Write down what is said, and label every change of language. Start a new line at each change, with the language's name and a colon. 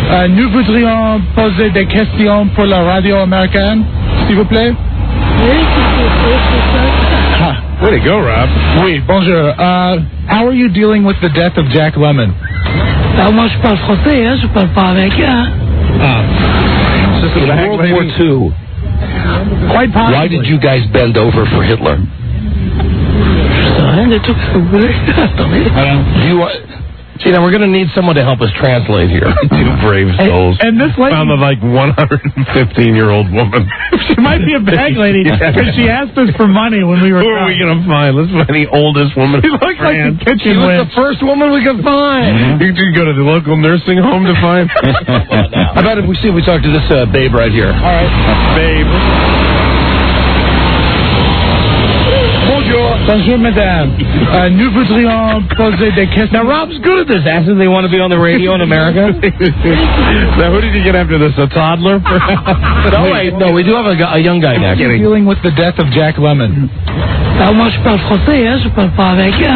French: Nous voudrions poser des questions pour la radio américaine, s'il vous plaît.
English: Way to go, Rob.
French: Oui, bonjour.
English: How are you dealing with the death of Jack Lemmon?
French: Moi, je parle français, hein. Je parle pas avec, hein.
English: World War II. Quite possibly. Why did you guys bend over for Hitler?
French: Je sais rien du tout.
English: Do you See, now we're going to need someone to help us translate here. Two brave souls. And this lady. From a, like, 115-year-old woman. She might be a bag lady because yeah. She asked us for money when we were. Who are we going to find? Let's find the oldest woman. She looks like the kitchen witch. She was the first woman we could find. Mm-hmm. You could go to the local nursing home to find. How about if we see if we talk to this babe right here? All right. Babe.
French: Bonjour, madame. Nous voudrions poser des questions.
English: Now, Rob's good at this. Ask if they want to be on the radio in America. Now, who did you get after this? A toddler? No, we do have a young guy next. I'm dealing with the death of Jack Lemmon.
French: Moi, je parle français, je parle pas avec.